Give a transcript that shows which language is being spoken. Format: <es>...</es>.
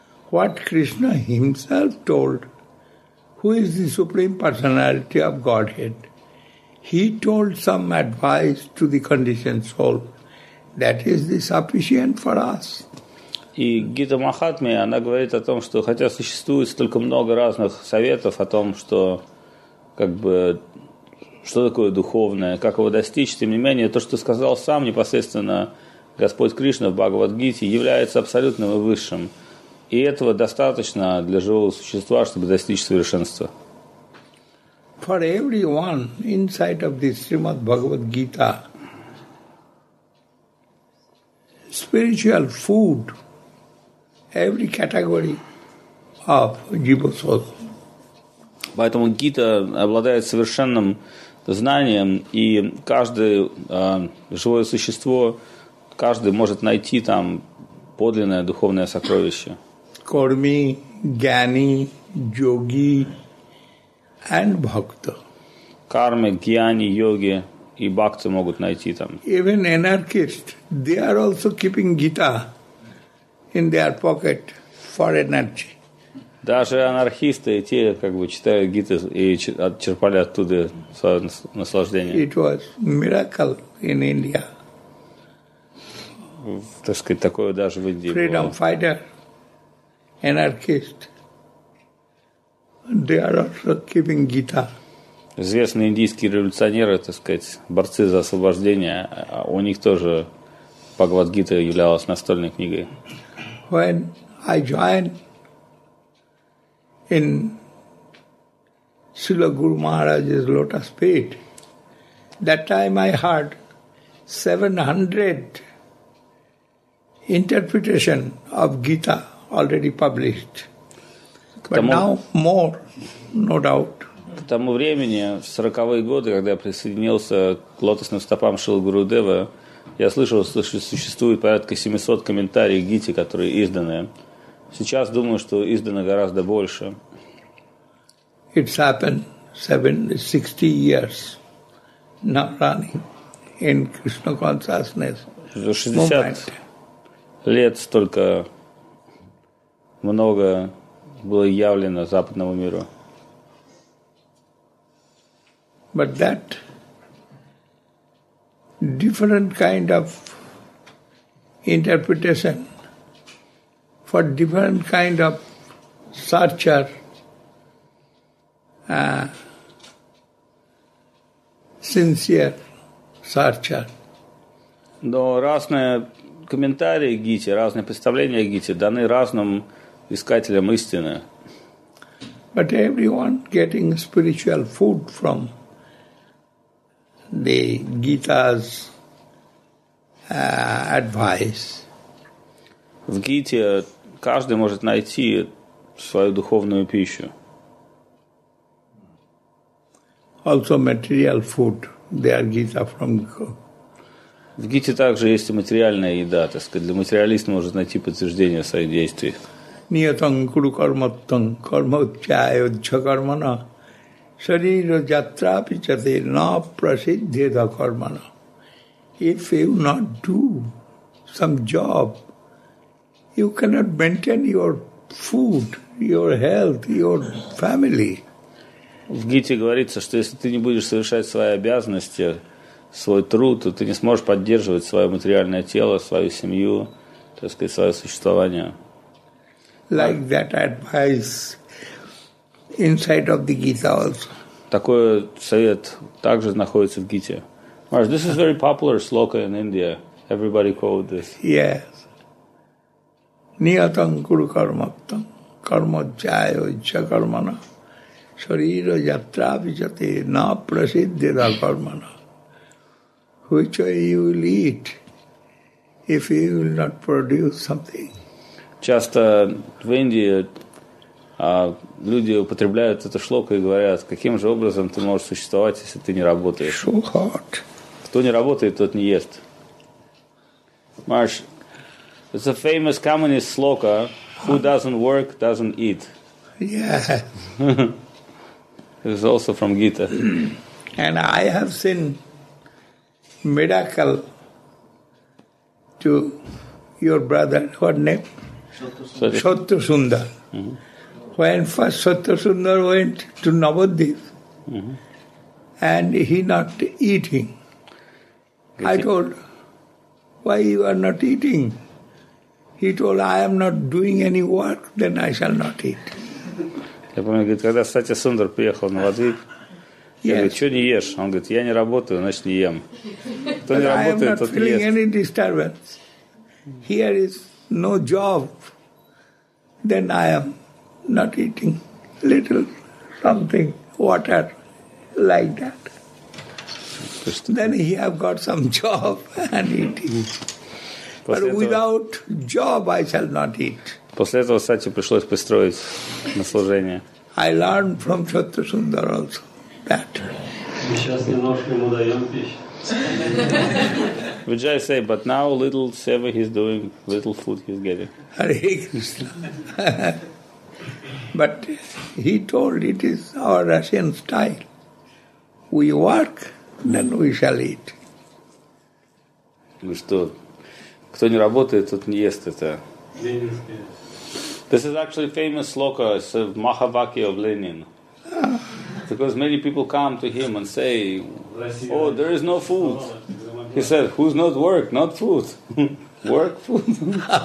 <en>What Krishna himself told, who is the Supreme Personality of Godhead, he told some advice to the conditioned soul. That is the sufficient for us.</en> <ru>И Гита Махатме, она говорит о том, что хотя существует столько много разных советов о том, что как бы что такое духовное, как его достичь, тем не менее, то, что сказал сам непосредственно Господь Кришна в Бхагавад-гите, является абсолютным и высшим. И этого достаточно для живого существа, чтобы достичь совершенства.</ru> <en>For everyone inside of the Srimad Bhagavad-gita, spiritual food, every category of jiva-sodha.</en> <ru>Поэтому Гита обладает совершенным знанием, и каждое живое существо, каждый может найти там подлинное духовное сокровище. Корми, гьяни, йоги and бхакта. Карми, гьяни, йоги и бхакта могут найти там.</ru> <en>Even anarchists, they are also keeping Gita in their pocket for energy.</en> <ru>Даже анархисты, те как бы читают Гиту и черпали оттуда наслаждение.</ru> <en>It was miracle in India.</en> <ru>Так сказать, такое даже в Индии</ru> <en>Freedom</en> <ru>было.</ru> <en>Fighter, anarchist, they are also keeping Gita.</en> <ru>Известные индийские революционеры, так сказать, борцы за освобождение, у них тоже Бхагавад-гита являлась настольной книгой.</ru> <en>When I joined in Srila Guru Maharaj's lotus feet, that time I heard 700 interpretation of Gita already published. But now more, no doubt.</en> <ru>К тому времени, в 40-е годы, когда я присоединился к лотосным стопам Шрилы Гурудевы, я слышал, что существует порядка 700 комментариев к Гите, которые изданы. Сейчас думаю, что издано гораздо больше.</ru> <en>It's happened 60 years now running in Krishna consciousness.</en> <ru>60 лет столько много было явлено западному миру.</ru> <en>But that different kind of interpretation for different kind of searcher sincere searcher.</en> <ru>Но разные комментарии Гите, разные представления Гите даны разным искателям истины.</ru> <en>But everyone getting spiritual food from the Gita's advice.</en> <ru>В Гите каждый может найти свою духовную пищу.</ru> <en>Also material food. They are Gita from Gita.</en> <ru>В Гите также есть и материальная еда. Так сказать, для материалиста может найти подтверждение своих действий.</ru> <sa>Ниятан куру карматан кармачая джакармана шарира джатра пичате на прасиддхеда кармана.</sa> <en>If you not do some job, you cannot maintain your food, your health, your family.</en> <ru>В Гите говорится, что если ты не будешь совершать свои обязанности, свой труд, то ты не сможешь поддерживать свое материальное тело, свою семью, так сказать, свое существование.</ru> <en>Like that advice inside of the Gita also.</en> <ru>Такой совет также находится в Гите.</ru> <en>Marge, this is very popular sloka in India. Everybody quote this.</en> <sa>Yes. Niyatam kuru karmattam. karma jayo iccha karmana sharira yatra vichate na prasiddhira karmana.</sa> <en>Which way you will eat if you will not produce something?</en> <ru>Часто в Индии люди употребляют эту шлоку и говорят, каким же образом ты можешь существовать, если ты не работаешь?</ru> <en>So hard.</en> <ru>Кто не работает, тот не ест.</ru> <en>Marsh, it's a famous communist sloka, who doesn't work, doesn't eat. Yeah. It's also from Gita. And I have seen miracle to your brother, what name? Shatrusunda. Mm-hmm. When first Shatrusunda went to Navadvip, mm-hmm. and he not eating, I told, why you are not eating? He told, I am not doing any work, then I shall not eat.</en> <ru>Я помню, говорит, когда Шатрусунда приехал на Навадвип, я говорю, что не ешь? Он говорит, я не работаю, значит не ем. Кто не работает, тот не ест.</ru> <en>I am not feeling any disturbance. Here is no job. Then I am not eating little something, water, like that. Then he have got some job and eating. But without job I shall not eat.</en> <ru>После этого, кстати, пришлось построить на служение.</ru> <en>I learned from Shatrusunda also that. Vijay say, but now little seva he's doing, little food he's getting. Hare Krishna. But he told it is our Russian style. We work, then we shall eat.</en> <ru>Ну что, кто не работает, тот не ест это.</ru> <en>This is actually famous sloka, it's a Mahavakya of Lenin. Because many people come to him and say, oh, there is no food. He said, who's not work? Not food. Work, food.</en>